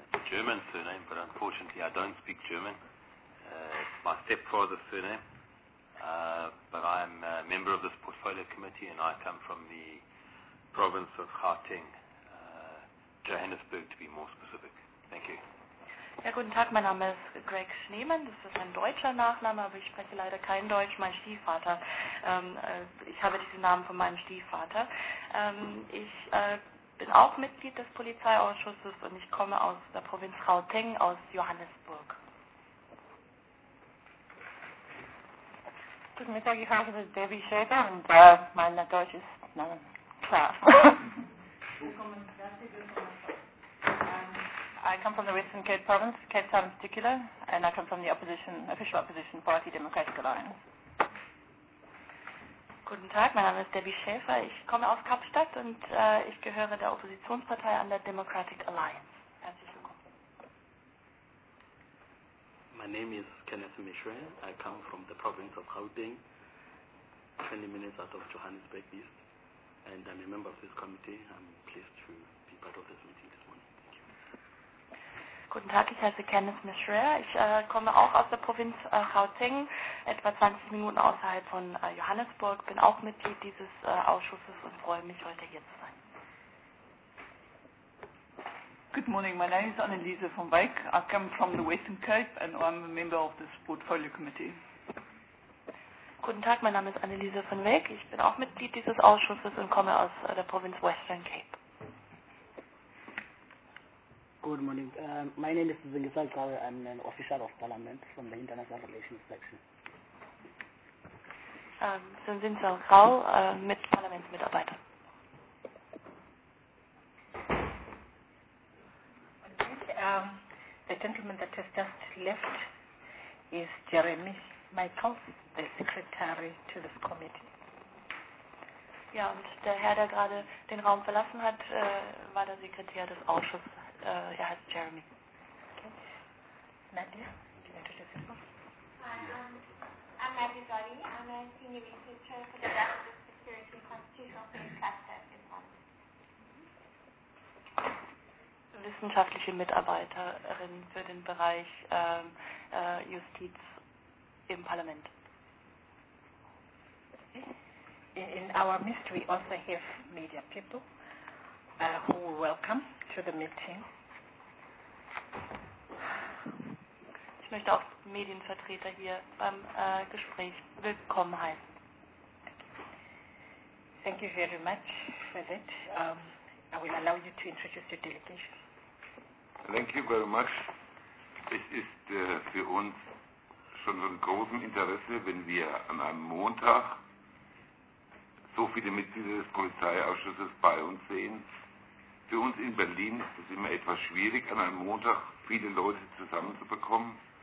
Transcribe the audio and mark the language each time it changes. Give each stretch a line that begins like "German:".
English: German surname, but unfortunately I don't speak German. It's my stepfather's surname. But I'm a member of this portfolio committee, and I come from the province of Gauteng, Johannesburg to be more specific. Thank you.
German: Ja, guten Tag, mein Name ist Greg Schneemann. Das ist ein deutscher Nachname, aber ich spreche leider kein Deutsch. Mein Stiefvater, ich habe diesen Namen von meinem Stiefvater. Ich bin auch Mitglied des Polizeiausschusses und ich komme aus der Provinz Gauteng, aus Johannesburg. Guten Mittag, ich heiße Debbie Schäfer und mein Deutsch ist Name.
English: I come from the Western Cape Province, Cape Town in particular, and I come from the opposition, official opposition party, Democratic Alliance.
German: Guten Tag, mein Name ist Debbie Schäfer. Ich komme aus Kapstadt und ich gehöre der Oppositionspartei an der Democratic Alliance. Herzlich willkommen.
English: My name is Kenneth Mishra. I come from the province of Gauteng, 20 minutes out of Johannesburg East. And I'm a member of this committee. I'm pleased to be part of this meeting this morning. Thank you.
German: Guten Tag, ich heiße Kenneth Mishra. Ich komme auch aus der Provinz Gauteng, etwa 20 Minuten außerhalb von Johannesburg. Bin auch Mitglied dieses Ausschusses und freue mich, heute hier zu sein.
English: Good morning. My name is Anneliese van Wyk. I come from the Western Cape and I'm a member of this portfolio committee.
German: Guten Tag, mein Name ist Anneliese van Wyk. Ich bin auch Mitglied dieses Ausschusses und komme aus der Provinz Western Cape.
English: Good morning. My name is Zingisal Kawe. I'm an official of parliament from the International Relations Section.
German: Zingisal Kawe, mit Parlamentsmitarbeiter.
English: The gentleman that has just left is Jeremy Michael, the secretary to this committee.
German: Ja, und der Herr, der gerade den Raum verlassen hat, war der Sekretär des Ausschusses. Er heißt Jeremy.
English: Okay. Nadia, can you introduce yourself? Hi, I'm Nadia Zoddy. I'm a senior researcher for the Justice, Security, and Constitutional Affairs Cluster in Fund.
German: Wissenschaftliche Mitarbeiterin für den Bereich Justiz im Parlament.
English: In our midst, we also have media people who we welcome to the meeting.
German: Ich möchte auch Medienvertreter hier beim Gespräch willkommen heißen.
English: Thank you very much for that. I will allow you to introduce your delegation. Thank you very much.
German: Es ist für uns schon von großem Interesse, wenn wir an einem Montag so viele Mitglieder des Polizeiausschusses bei uns sehen. Für uns in Berlin ist es immer etwas schwierig, an einem Montag viele Leute zusammenzubekommen.